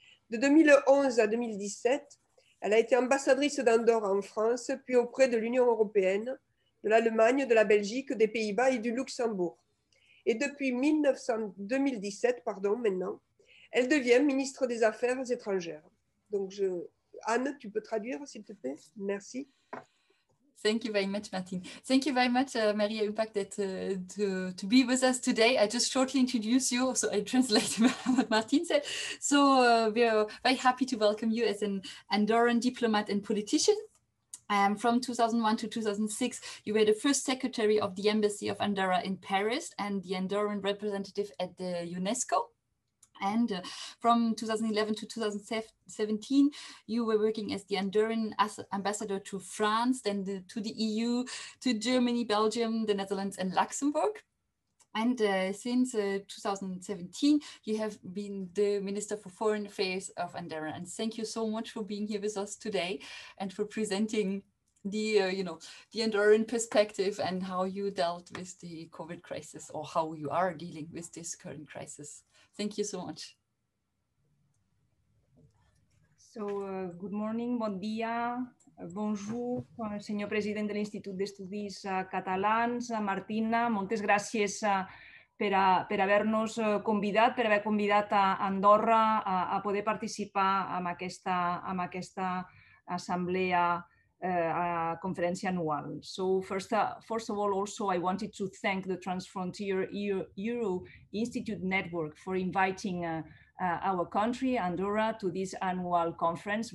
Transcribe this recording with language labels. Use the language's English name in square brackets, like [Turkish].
[French] De 2011 à 2017, elle a été ambassadrice d'Andorre en France, puis auprès de l'Union européenne, de l'Allemagne, de la Belgique, des Pays-Bas et du Luxembourg. Et depuis 2017, maintenant, elle devient ministre des Affaires étrangères. Donc, Anne, tu peux traduire, s'il te plaît? Merci. [English] Thank you very much, Martine. Thank you very much, Maria Ubak, to be with us today. I just shortly introduce you, so I translate what Martine said. So we are very happy to welcome you as an Andorran diplomat and politician. From 2001 to 2006, you were the first secretary of the Embassy of Andorra in Paris and the Andorran representative at the UNESCO. And from 2011 to 2017, you were working as the Andorran ambassador to France, then to the EU, to Germany, Belgium, the Netherlands and Luxembourg. And since 2017, you have been the Minister for Foreign Affairs of Andorra. And thank you so much for being here with us today and for presenting the Andorran perspective and how you dealt with the COVID crisis, or how you are dealing with this current crisis. Thank you so much. So, good morning, [Catalan] bon dia, [French] bonjour, [Catalan] senyor president de l'Institut d'Estudis Catalans, Martina, moltes gràcies per haver-nos convidat, per haver convidat a Andorra a poder participar amb aquesta assemblea, conferència anual. [English] So first of all, also I wanted to thank the Transfrontier Euro Institute Network for inviting our country, Andorra, to this annual conference.